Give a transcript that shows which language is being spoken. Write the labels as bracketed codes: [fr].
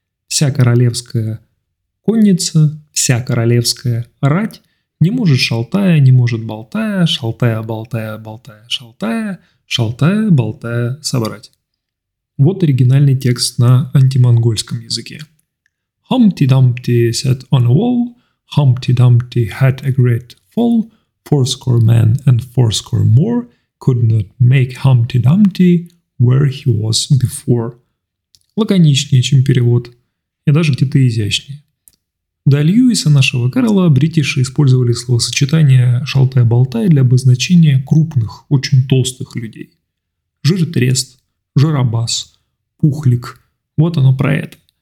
[ru] Вся королевская конница, вся королевская рать не может шалтая, не может болтая, шалтая-болтая-болтая, шалтая, шалтая-болтая собрать. Вот оригинальный текст на антимонгольском языке. [en] Humpty Dumpty sat on a wall, Humpty Dumpty had a great fall, fourscore men and fourscore more could not make Humpty Dumpty where he was before. [ru] Лаконичнее, чем перевод, и даже где-то изящнее. До Льюиса нашего Карла бритиши использовали словосочетание «шалтай-болтай» для обозначения крупных, очень толстых людей. Жиртрест, жиробас, пухлик. Вот оно про это.